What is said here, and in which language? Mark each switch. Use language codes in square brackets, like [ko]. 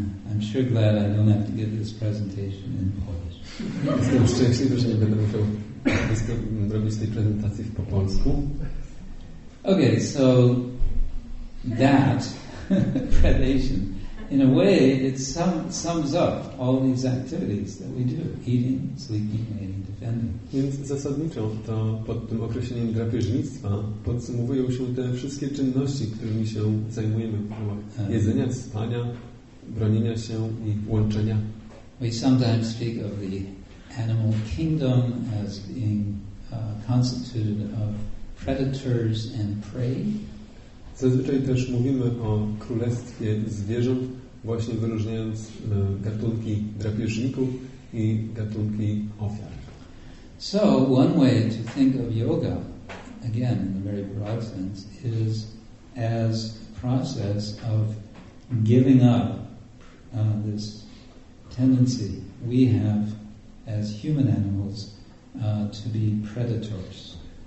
[en] I'm sure glad I don't have to give this presentation in Polish. [pl] Jestem szczęśliwy, że nie będę musiał zrobić tej prezentacji po polsku. [en] Okay, so that predation. In a way, it sums up all these activities that we do: eating, sleeping, mating, defending. [pl] Więc zasadniczo to pod tym określeniem drapieżnictwa podsumowują się te wszystkie czynności, którymi się zajmujemy w ramach jedzenia, spania, bronienia się i łączenia. [en] We sometimes speak of the animal kingdom as being constituted of predators and prey. [pl] Zazwyczaj też mówimy o królestwie zwierząt, właśnie wyróżniając gatunki drapieżników i gatunki ofiar. [en] So one way to think of yoga, again in a very broad sense, is as a process of giving up this tendency we have as human animals to be predators.